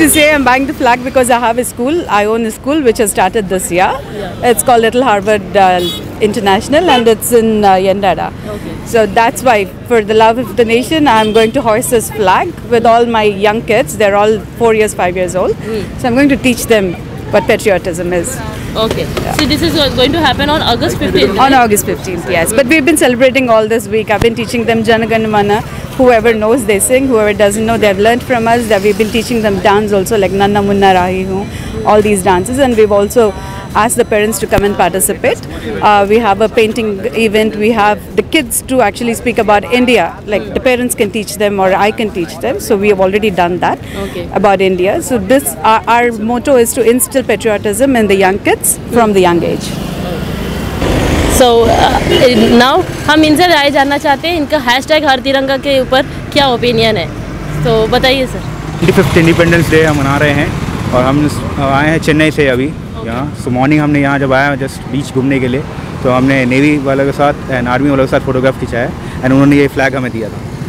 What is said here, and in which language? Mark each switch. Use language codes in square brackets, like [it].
[en] To say I am buying the flag because I have a school. I own a school which has started this year. It's called Little Harvard International and it's in यंडाडा. So that's why for the love of the nation I am going to host this flag with all my young kids. They are all 4 years 5 years old. So I am going to teach them what patriotism is. Okay. Yeah. So this is going to happen on August 15th. Right? On August 15th, yes. But we've been celebrating all this week. I've been teaching them Jana Gana Mana. Whoever knows, they sing. Whoever doesn't know, they've learned from us. That we've been teaching them dance also, like Nanna Munna Rahi Hu, all these dances. And we've also asked the parents to come and participate. We have a painting event. We have the kids to actually speak about India. Like the parents can teach them or I can teach them. So we have already done that. Okay. About India. So this our motto is to instill patriotism in the young kids from the young age. [hi] So now हम इनसे राय जानना चाहते हैं इनका hashtag हर तिरंगा के ऊपर क्या opinion है. तो बताइए सर. 25th Independence Day हम मना रहे हैं और हम आए हैं चेन्नई से अभी. यहाँ सो मॉर्निंग हमने यहाँ जब आया जस्ट बीच घूमने के लिए तो हमने नेवी वालों के साथ एंड आर्मी वालों के साथ फोटोग्राफ खिंचाया एंड उन्होंने ये फ्लैग हमें दिया था.